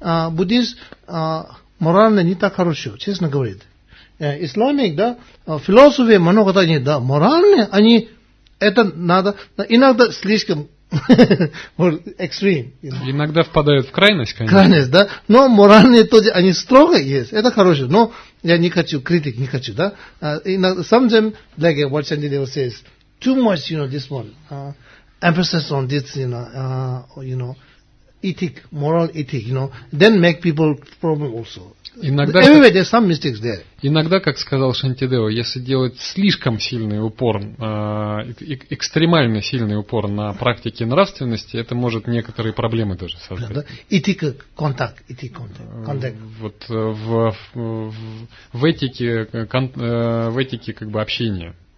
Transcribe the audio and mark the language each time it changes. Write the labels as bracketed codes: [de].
[ru] Буддист морально не так хорошо, честно говоря. Исламик, да? Философия, много-то нет, да? Морально, они, это надо, иногда слишком [en] or extreme, you know. [ru] Иногда впадают в крайность, конечно. Крайность, да. Но моральные тоже, они строго есть. Это хорошее. Но я не хочу критик, не хочу, да. [en] Sometimes, like what Chandler says, too much, you know, this one, emphasis on this, you know, ethic, moral ethic, you know, then make people problem also. [ru] Иногда, [en] anyway, there's some mistakes there. [ru] Иногда, как сказал Шантидео, если делать слишком сильный упор, экстремально сильный упор на практике нравственности, это может некоторые проблемы даже создать. Этика, контакт, этика, контакт. Вот в этике, в этике как бы общения.